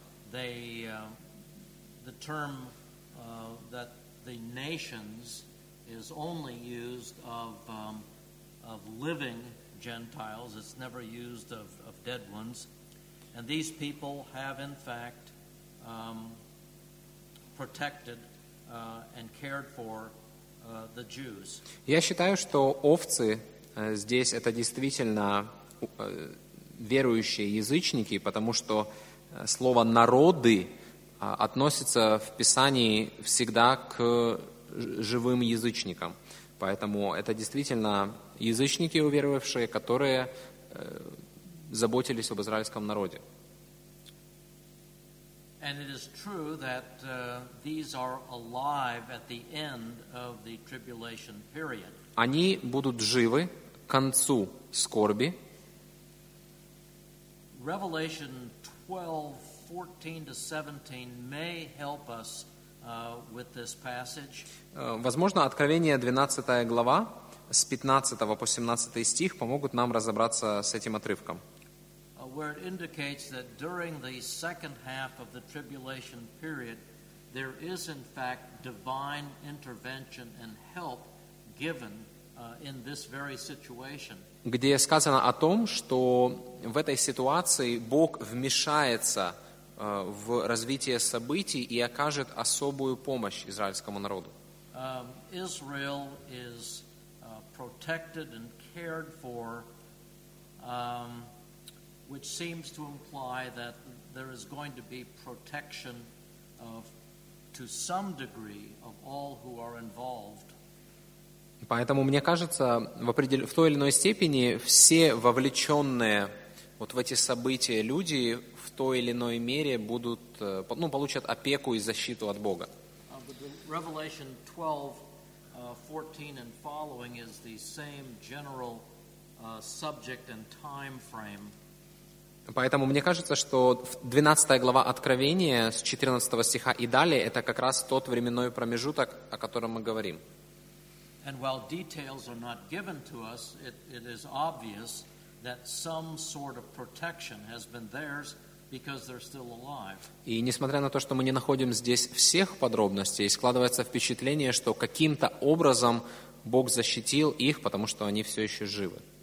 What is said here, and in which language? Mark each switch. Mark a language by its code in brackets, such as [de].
[en] The term that the nations is only used of living Gentiles. It's never used of dead ones. And these people have in fact protected and cared for the Jews. [ru] Я считаю, что овцы здесь это действительно верующие язычники, потому что слово народы относится в Писании всегда к живым язычникам. Поэтому это действительно язычники, уверовавшие, которые заботились об израильском народе. [en] And it is true that these are alive at the end of the tribulation period. [ru] Они будут живы к концу скорби. [en] Revelation 12:14-17 may help us with this passage. [ru] Возможно, Откровение 12 глава с 15 по 17 стих помогут нам разобраться с этим отрывком. [en] Where it indicates that during the second half of the tribulation period, there is in fact divine intervention and help given in this very situation. [ru] Где сказано о том, что в этой ситуации Бог вмешается в развитие событий и окажет особую помощь израильскому народу. [en] Israel is protected and cared for. Which seems to imply that there is going to be protection of, to some degree, of all who are involved. [ru] Поэтому мне кажется, в той или иной степени все вовлеченные вот в эти события люди в той или иной мере будут, ну, получат опеку и защиту от Бога. [en] Revelation 12, 14 and following is the same general subject and time frame. [ru] Поэтому мне кажется, что 12 глава Откровения с 14 стиха и далее это как раз тот временной промежуток, о котором мы говорим. [en] And while details are not given to us, it is obvious that some sort of protection has been theirs because they're still alive. [ru] И несмотря на то, что мы не находим здесь всех подробностей, складывается впечатление, что каким-то образом Бог защитил их, потому что они все еще живы.